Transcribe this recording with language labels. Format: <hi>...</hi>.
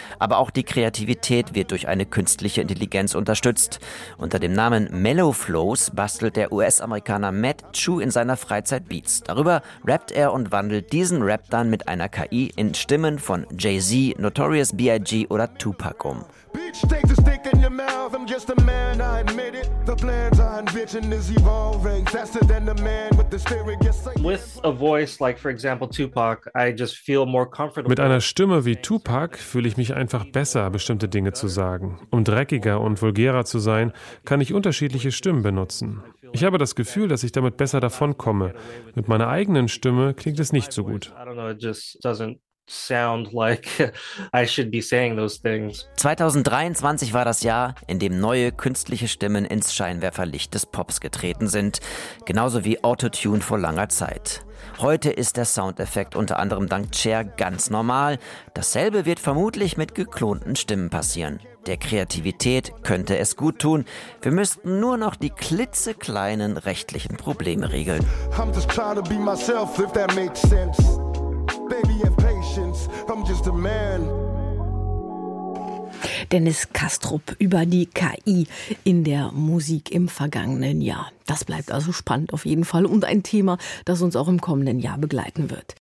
<de>Aber auch die Kreativität wird durch eine künstliche Intelligenz unterstützt. Unter dem Namen Mellow Flows bastelt der US-Amerikaner Matt Chu in seiner Freizeit Beats. Darüber rappt er und wandelt diesen Rap dann mit einer KI in Stimmen von Jay-Z, Notorious B.I.G. oder Tupac um.</de> <en>Bitch, take the stick in your mouth, I'm just a man, I admit it. The plans I envision is evolving faster than the man with the spirit. Yes, with a voice like, for example, Tupac, I just feel more comfortable.</en> <de>Mit einer Stimme wie Tupac fühle ich mich einfach besser, bestimmte Dinge zu sagen. Um dreckiger und vulgärer zu sein, kann ich unterschiedliche Stimmen benutzen. Ich habe das Gefühl, dass ich damit besser davonkomme. Mit meiner eigenen Stimme klingt es nicht so gut.</de> <en>I don't know, it just doesn't sound like I should be saying those things.</en> <de>2023 war das Jahr, in dem neue künstliche Stimmen ins Scheinwerferlicht des Pops getreten sind, genauso wie Autotune vor langer Zeit. Heute ist der Soundeffekt unter anderem dank Cher ganz normal. Dasselbe wird vermutlich mit geklonten Stimmen passieren. Der Kreativität könnte es gut tun. Wir müssten nur noch die klitzekleinen rechtlichen Probleme regeln.</de> <en>I'm just trying to be myself, if that makes sense. Baby, have patience. I'm just a man.</en> <de>Dennis Kastrup über die KI in der Musik im vergangenen Jahr. Das bleibt also spannend auf jeden Fall und ein Thema, das uns auch im kommenden Jahr begleiten wird.</de>